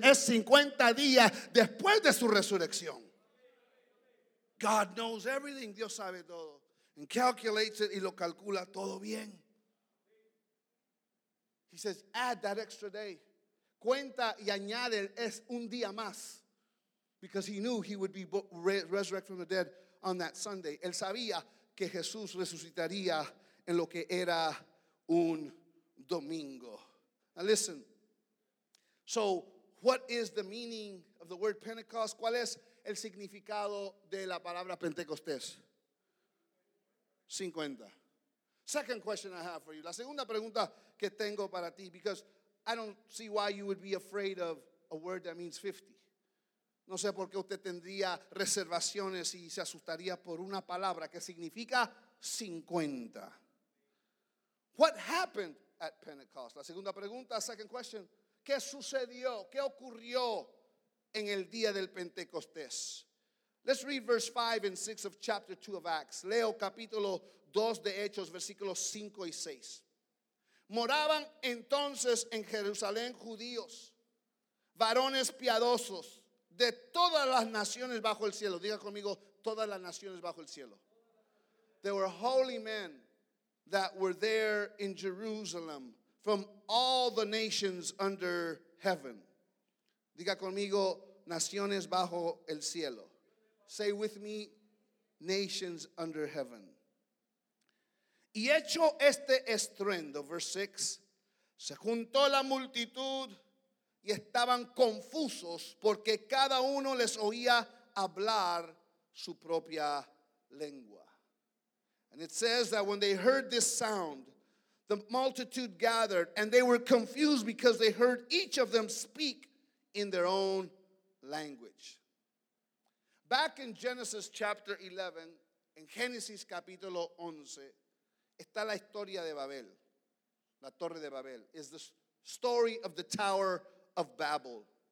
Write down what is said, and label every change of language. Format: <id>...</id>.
<es>Es 50 días después de su resurrección.</es> <en>God knows everything.</en> <es>Dios sabe todo.</es> <en>And calculates it</en> <es>y lo calcula todo bien.</es> <en>He says, add that extra day.</en> <es>Cuenta y añade es un día más.</es> <en>Because he knew he would be resurrected from the dead on that Sunday.</en> <es>Él sabía que Jesús resucitaría en lo que era un domingo.</es> <en>Now listen. So, what is the meaning of the word Pentecost?</en> <es>¿Cuál es el significado de la palabra Pentecostés? 50.</es> <en>Second question I have for you.</en> <es>La segunda pregunta que tengo para ti,</es> <en>because I don't see why you would be afraid of a word that means 50.</en> <es>No sé por qué usted tendría reservaciones y se asustaría por una palabra que significa 50.</es> <en>What happened at Pentecost?</en> <es>La segunda pregunta,</es> <en>second question.</en> <es>¿Qué sucedió? ¿Qué ocurrió en el día del Pentecostés?</es> <en>Let's read verse 5 and 6 of chapter 2 of Acts.</en> <es>Leo capítulo 2 de Hechos, versículos 5 y 6. Moraban entonces en Jerusalén judíos, varones piadosos de todas las naciones bajo el cielo. Diga conmigo, todas las naciones bajo el cielo.</es> <en>There were holy men that were there in Jerusalem from all the nations under heaven.</en> <es>Diga conmigo, naciones bajo el cielo.</es> <en>Say with me, nations under heaven.</en> <es>Y hecho este estruendo,</es> <en>verse 6,</en> <es>se juntó la multitud y estaban confusos porque cada uno les oía hablar su propia lengua.</es> <en>And it says that when they heard this sound, the multitude gathered and they were confused because they heard each of them speak in their own language. Back in Genesis chapter 11,</en> <es>en Génesis capítulo 11, está la historia de Babel, la Torre de Babel.</es> <en>Is the story of the Tower of Babel.</en>